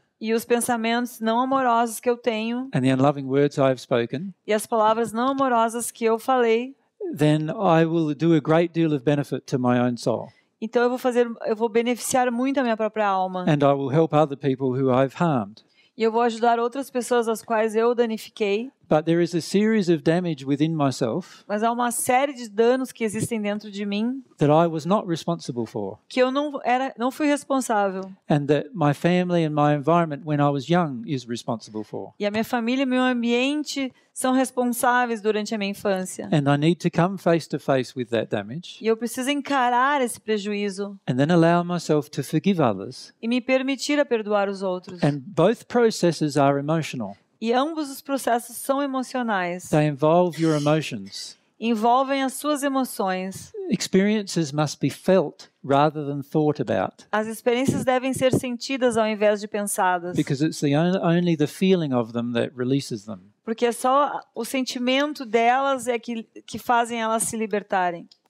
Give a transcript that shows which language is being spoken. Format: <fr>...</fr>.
<pt>e os pensamentos não amorosos que eu tenho,</pt> <en>and the unloving words I have spoken,</en> <pt>e as palavras não amorosas que eu falei,</pt> <en>then I will do a great deal of benefit to my own soul.</en> <pt>Então eu vou beneficiar muito a minha própria alma.</pt> <en>And I will help other people who I've harmed.</en> <pt>E eu vou ajudar outras pessoas às quais eu danifiquei.</pt> <en>But there is a series of damage within myself.</en> <pt>Mas há uma série de danos que existem dentro de mim.</pt> <en>That I was not responsible for.</en> <pt>Que eu não fui responsável.</pt> <en>And that my family and my environment when I was young is responsible for.</en> <pt>E a minha família e meu ambiente são responsáveis durante a minha infância.</pt> <en>And I need to come face to face with that damage.</en> <pt>E eu preciso encarar esse prejuízo.</pt> <en>And then allow myself to forgive others.</en> <pt>E me permitir a perdoar os outros.</pt> <en>And both processes are emotional.</en> <pt>E ambos os processos são emocionais.</pt> <en>They involve your emotions.</en> <pt>Envolvem as suas emoções.</pt> <en>Experiences must be felt rather than thought about.</en> <pt>As experiências devem ser sentidas ao invés de pensadas.</pt> <en>Because it's only the feeling of them that releases them.</en> <pt>Porque é só o sentimento delas é que fazem elas se libertarem.</pt>